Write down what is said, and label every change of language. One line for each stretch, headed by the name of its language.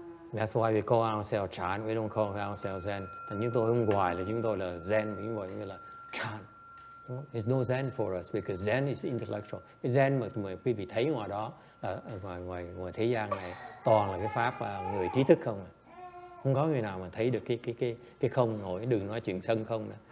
English: That's why we call ourselves Chan, we don't call ourselves Zen.
Vietnamese: Thì chúng tôi không gọi là chúng tôi là Zen, chúng tôi gọi là Chan.
English: There's no Zen for us because Zen is intellectual.
Vietnamese: Cái Zen mà quý vị thấy ngoài đó, ngoài thế gian này, toàn là cái pháp người trí thức không. Không có người nào mà thấy được cái không nổi, đừng nói chuyện sân không.